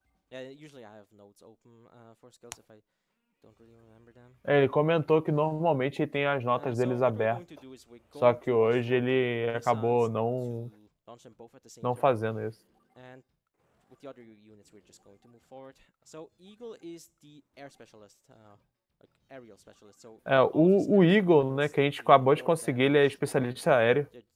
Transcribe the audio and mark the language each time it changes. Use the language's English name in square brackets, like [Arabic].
[English] Yeah, usually I have notes open for skills if I don't really remember them. [Portuguese] Ele comentou que normalmente ele tem as notas deles abertas. Só que hoje ele acabou não fazendo isso. [English] And with the other units we're just going to move forward. So Eagle is the air specialist. Aerial specialist. So [Portuguese] o Eagle, né, que a gente acabou de conseguir, ele é especialista aéreo.